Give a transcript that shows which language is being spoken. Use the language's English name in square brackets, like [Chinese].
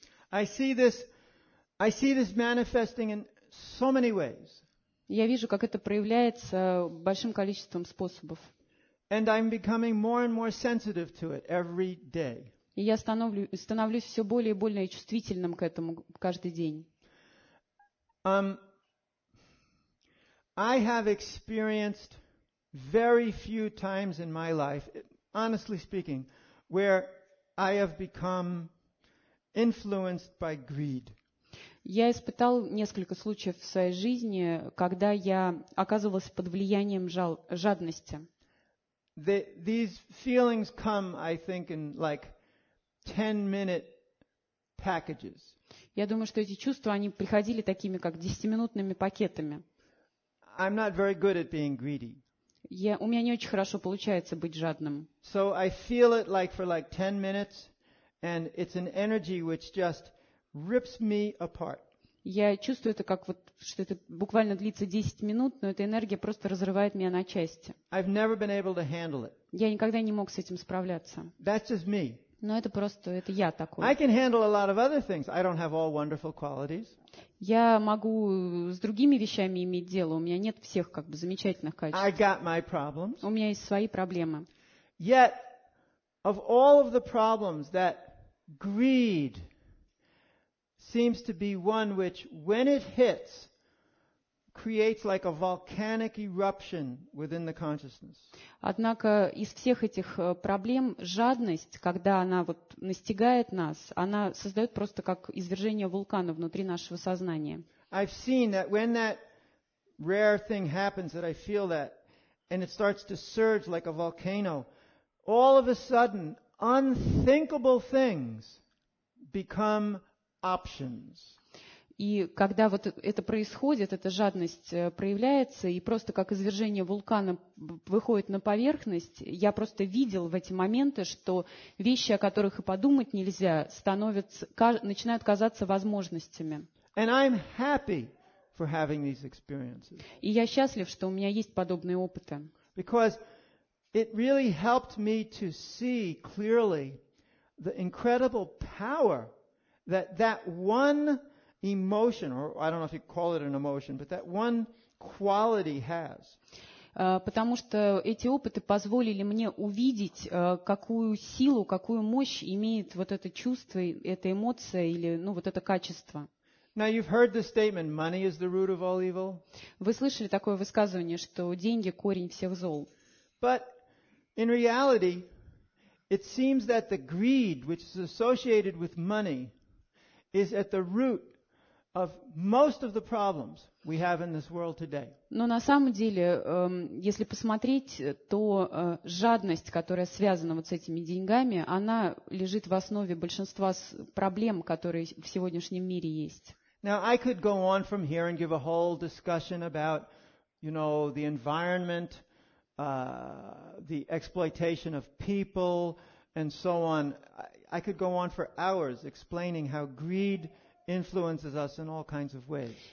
[English] I see this manifesting in so many ways. [Russian] Я вижу, как это проявляется большим количеством способов. [English] And I'm becoming more and more sensitive to it every day. [Russian] И я становлюсь все более и более чувствительным к этому каждый день. [English] I have experienced very few times in my life, honestly speaking, where I have become influenced by greed. [Russian] Я испытал несколько случаев в своей жизни, когда я оказывался под влиянием жадности. [English] These feelings come, I think, in like 10-minute packages. [Russian] Я думаю, что эти чувства, они приходили такими, как 10-минутными пакетами. [English] I'm not very good at being greedy. [Russian] У меня не очень хорошо получается быть жадным. [English] So I feel it like for like 10 minutes and it's an energy which just rips me apart. [Russian] Я чувствую это как вот, что это буквально длится 10 минут, но эта энергия просто разрывает меня на части. [English] I've never been able to handle it. [Russian] Я никогда не мог с этим справляться. [English] That's just me. [Russian] Но это просто, это я такой. [English] I can handle a lot of other things. I don't have all wonderful qualities. [Russian] Я могу с другими вещами иметь дело. У меня нет всех как бы замечательных качеств. [English] I got my problems. [Russian] У меня есть свои проблемы. [English] Yet, of all of the problems that greed seems to be one which, when it hits, creates like a volcanic eruption within the consciousness. [Russian] Однако из всех этих проблем жадность, когда она вот настигает нас, она создает просто как извержение вулкана внутри нашего сознания. [English] I've seen that when that rare thing happens that I feel that and it starts to surge like a volcano, all of a sudden unthinkable things become options. [Russian] И когда вот это происходит, эта жадность проявляется, и просто как извержение вулкана выходит на поверхность, я просто видел в эти моменты, что вещи, о которых и подумать нельзя, начинают казаться возможностями. [English] And I'm happy for having these experiences. [Russian] И я счастлив, что у меня есть подобные опыты. [English] Because it really helped me to see clearly the incredible power that one emotion, or I don't know if you call it an emotion, but that one quality has. [Russian] Потому что эти опыты позволили мне увидеть, какую силу, какую мощь имеет вот это чувство, эта эмоция или, ну, вот это качество. [English] Now you've heard the statement, money is the root of all evil. [Russian] Вы слышали такое высказывание, что деньги корень всех зол. [English] But in reality, it seems that the greed, which is associated with money, is at the root of most of the problems we have in this world today. [Russian] Но на самом деле, если посмотреть, то жадность, которая связана вот с этими деньгами, она лежит в основе большинства проблем, которые в сегодняшнем мире есть. [English] Now I could go on from here and give a whole discussion about, you know, the environment, the exploitation of people and so on. I could go on for hours explaining how greed influences us in all kinds of ways.